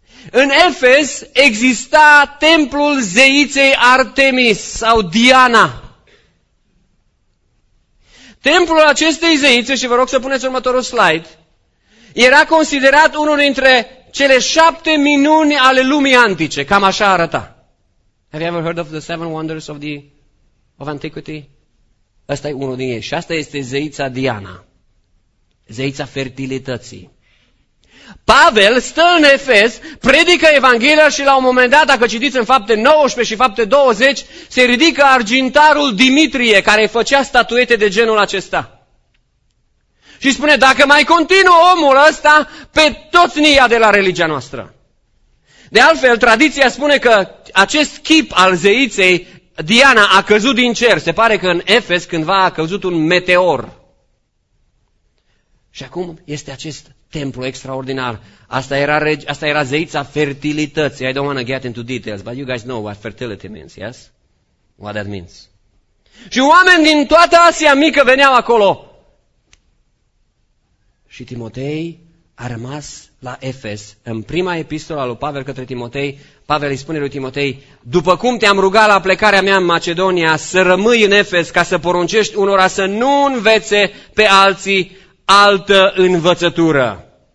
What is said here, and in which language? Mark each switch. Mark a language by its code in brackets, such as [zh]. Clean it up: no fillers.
[ro] În Efes exista templul zeiței Artemis sau Diana. Templul acestei zeițe, și vă rog să puneți următorul slide, era considerat unul dintre cele 7 minuni ale lumii antice. Cam așa arăta. [en] Have you ever heard of the 7 wonders of antiquity? [ro] Asta e unul din ei. Și asta este zeița Diana. Zeița fertilității. Pavel stă în Efes, predică Evanghelia și la un moment dat, dacă citiți în fapte 19 și fapte 20, se ridică argintarul Dimitrie, care făcea statuete de genul acesta. Și spune, dacă mai continuă omul ăsta, pe toți ne ia de la religia noastră. De altfel, tradiția spune că acest chip al zeiței Diana a căzut din cer. Se pare că în Efes cândva a căzut un meteor. Și acum este acest templu extraordinar. Asta era zeița fertilității. [en] I don't want to get into details, but you guys know what fertility means, yes? What that means. [ro] Și oameni din toată Asia Mică veneau acolo. Și Timotei a rămas la Efes. În prima epistolă a lui Pavel către Timotei, Pavel îi spune lui Timotei, după cum te-am rugat la plecarea mea în Macedonia să rămâi în Efes ca să poruncești unora să nu învețe pe alții altă învățătură.